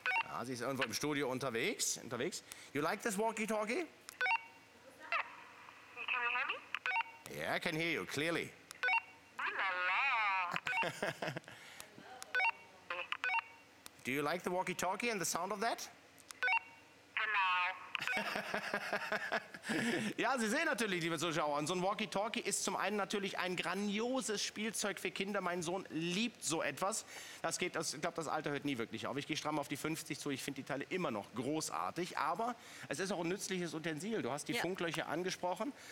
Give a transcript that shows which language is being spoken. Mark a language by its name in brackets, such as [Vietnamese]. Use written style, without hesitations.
[German] Ah, sie ist irgendwo im Studio unterwegs. [English] You like this walkie-talkie? Can you hear me? Yeah, I can hear you, clearly. La la. Do you like the walkie-talkie and the sound of that? No. [German] Ja, Sie sehen natürlich, liebe Zuschauer, so ein Walkie-Talkie ist zum einen natürlich ein grandioses Spielzeug für Kinder. Mein Sohn liebt so etwas. Das geht, ich glaube, das Alter hört nie wirklich auf. Ich gehe stramm auf die 50 zu. Ich finde die Teile immer noch großartig. Aber es ist auch ein nützliches Utensil. Du hast die Funklöcher angesprochen.